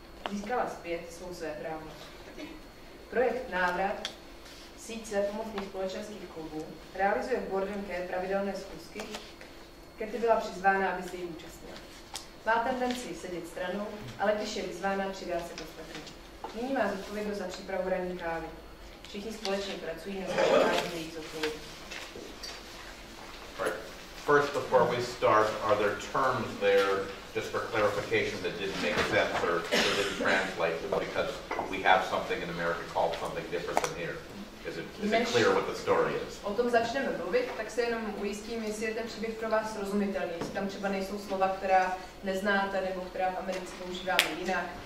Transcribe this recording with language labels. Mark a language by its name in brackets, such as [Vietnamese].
[Czech] Získala zpět svou svéprávnost. Projekt Návrat, síť svépomocných společenských klubů, realizuje v Board and Care pravidelné schůzky. Katie byla přizvána, aby se jí účastnila. Má tendenci sedět stranou, ale když je vyzvána, přidá se do ostatní. Nyní má zodpovědnost za přípravu ranní kávy. Všichni společně pracují na zvládání jejich zodpovědnosti. [English] first, before we start, are there terms there, just for clarification, that didn't make sense or didn't translate, because we have something in America called something different than here? Is it clear what the story is? [Czech] O tom začneme mluvit, tak se jenom ujistím, jestli je ten příběh pro vás srozumitelný. Jestli tam třeba nejsou slova, která neznáte, nebo která v Americe používáme jinak.